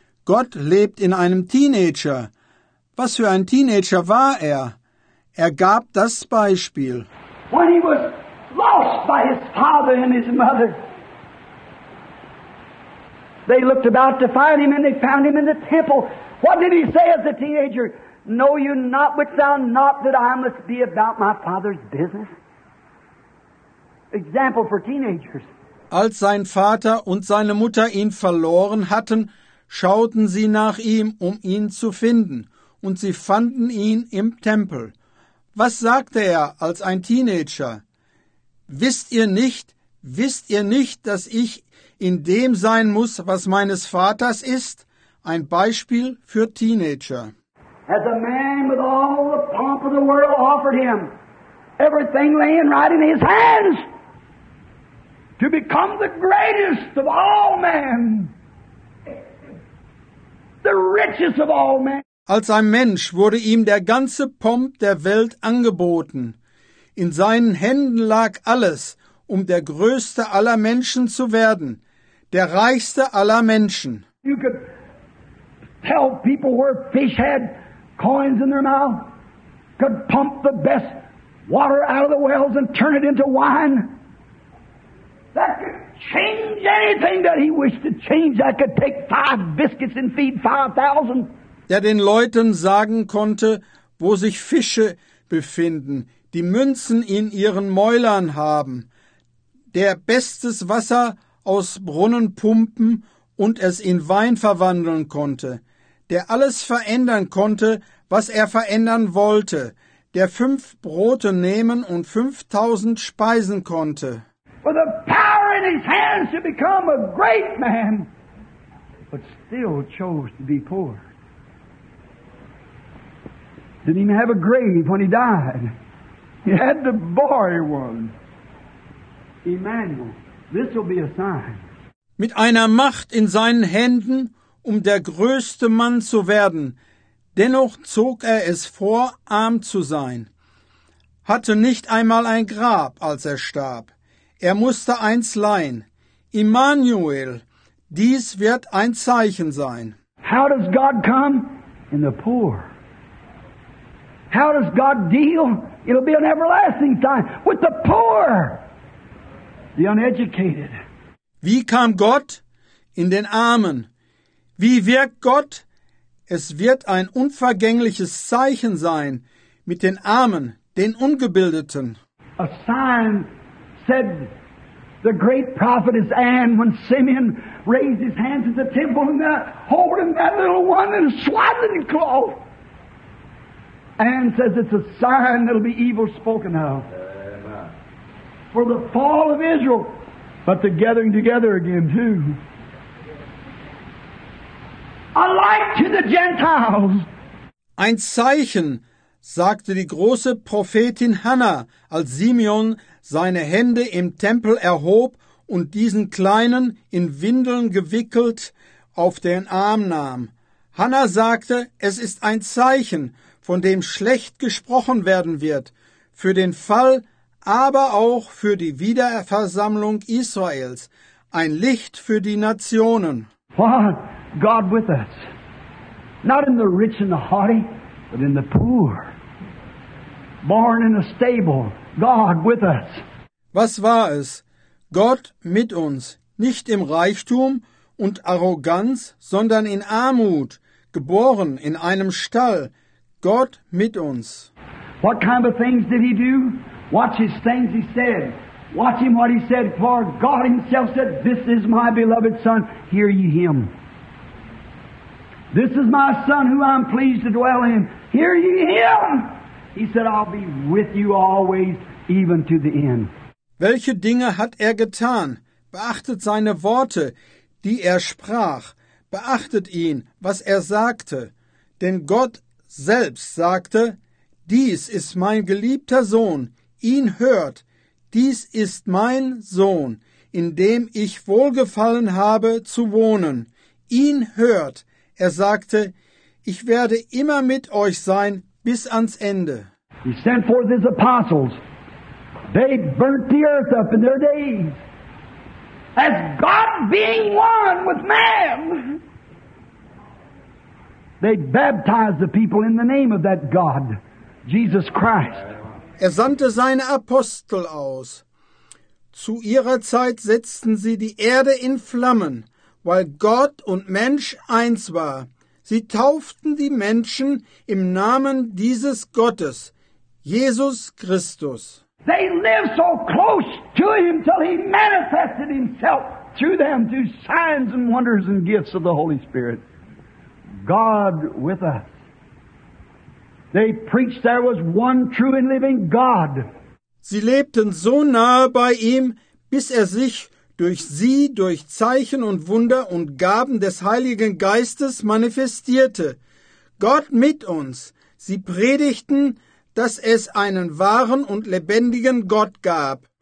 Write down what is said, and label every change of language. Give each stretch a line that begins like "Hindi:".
German: Gott lebt in einem Teenager. Was für ein Teenager war er? Er gab das Beispiel.
English: When he was lost by his father and his mother, they looked about to find him and they found him in the temple. What did he say as a teenager? Know you not, which thou not, that I must be about my father's business? Example for teenagers.
German: Als sein Vater und seine Mutter ihn verloren hatten, schauten sie nach ihm, um ihn zu finden, und sie fanden ihn im Tempel. Was sagte er als ein Teenager? Wisst ihr nicht, dass ich in dem sein muss, was meines Vaters ist? Ein Beispiel für Teenager.
English: As a man with all the pomp of the world offered him, everything laying right in his hands. To become the greatest of all men. The richest of all men.
German: Als ein Mensch wurde ihm der ganze Pomp der Welt angeboten. In seinen Händen lag alles, um der größte aller Menschen zu werden, der reichste aller Menschen.
English: You could tell people where fish had coins in their mouth, could pump the best water out of the wells and turn it into wine. That could change anything that he wished to change. That could take 5 biscuits and feed 5,000. Der den Leuten sagen konnte, wo sich Fische befinden, die Münzen in ihren Mäulern haben, der bestes Wasser aus Brunnen pumpen und es in Wein verwandeln konnte, der alles verändern konnte, was er verändern wollte, der 5 Brote nehmen und 5,000 speisen konnte. With the power in his hands to become a great man, but still chose to be poor. Didn't even have a grave when he died. He had the boy one. Emmanuel, this will be a sign.
German: Mit einer Macht in seinen Händen, um der größte Mann zu werden, dennoch zog er es vor, arm zu sein. Hatte nicht einmal ein Grab, als er starb. Er musste eins leihen. Immanuel, dies wird ein Zeichen sein.
English: How does God come? In the poor. How does God deal? It'll be an everlasting sign. With the poor, the uneducated.
German: Wie kam Gott? In den Armen. Wie wirkt Gott? Es wird ein unvergängliches Zeichen sein. Mit den Armen, den Ungebildeten.
English: A sign said, the great prophetess Anne, when Simeon raised his hands at the temple and holding that little one in a swaddling cloth. Anne says it's a sign that'll be evil spoken of. Amen. For the fall of Israel, but the gathering together again too. A light to the Gentiles.
German: Ein Zeichen, sagte die große Prophetin Hannah, als Simeon seine Hände im Tempel erhob und diesen Kleinen in Windeln gewickelt auf den Arm nahm. Hannah sagte, es ist ein Zeichen, von dem schlecht gesprochen werden wird, für den Fall, aber auch für die Wiederversammlung Israels, ein Licht für die Nationen.
English: What? God with us. Not in the rich and the haughty, but in the poor. Born in a stable. God with us.
German: Was war es? Gott mit uns, nicht im Reichtum und Arroganz, sondern in Armut, geboren in einem Stall. Gott mit uns.
English: What kind of things did he do? Watch his things he said. Watch him what he said, for God himself said, this is my beloved son, hear ye him. This is my son who I'm pleased to dwell in, hear ye him. He said, I'll be with you always. Even to the end.
German: Welche Dinge hat er getan? Beachtet seine Worte, die er sprach. beachtet ihn, was er sagte, denn Gott selbst sagte, dies ist mein geliebter Sohn, ihn hört, dies ist mein Sohn, in dem ich Wohlgefallen habe zu wohnen, ihn hört. Er sagte, ich werde immer mit euch sein bis ans Ende.
English: He sent forth his apostles. They burnt the earth up in their days. As God being one with man. They baptized the people in the name of that God, Jesus Christ.
German: Er sandte seine Apostel aus. Zu ihrer Zeit setzten sie die Erde in Flammen, weil Gott und Mensch eins war. Sie tauften die Menschen im Namen dieses Gottes, Jesus Christus.
English: They lived so close to him till he manifested himself to them through signs and wonders and gifts of the Holy Spirit. God with us. They preached there was one true and living God.
German: Sie lebten so nahe bei ihm, bis er sich durch sie, durch Zeichen und Wunder und Gaben des Heiligen Geistes manifestierte. Gott mit uns. Sie predigten, dass es einen wahren und lebendigen Gott gab.